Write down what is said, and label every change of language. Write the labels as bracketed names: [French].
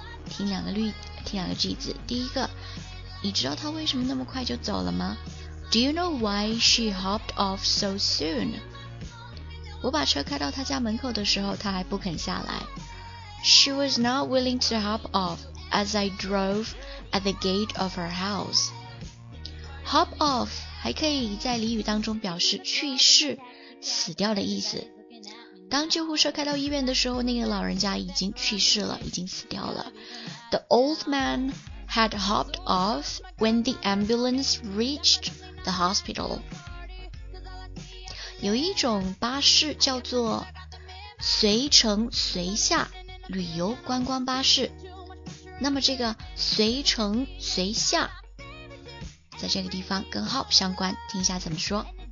[Chinese] 听两个句子，第一个，你知道他为什么那么快就走了吗？ [English] Do you know why she hopped off so soon? [Chinese] 我把车开到他家门口的时候他还不肯下来。 [English] She was not willing to hop off as I drove at the gate of her house. [Chinese] Hop off 还可以在俚语当中表示去世、死掉的意思。当救护车开到医院的时候，那个老人家已经去世了，已经死掉了。 [English] The old man had hopped off when the ambulance reached the hospital. [Chinese] 有一种巴士叫做随乘随下旅游观光巴士。那么这个随乘随下在这个地方跟 hop 相关，听一下怎么说。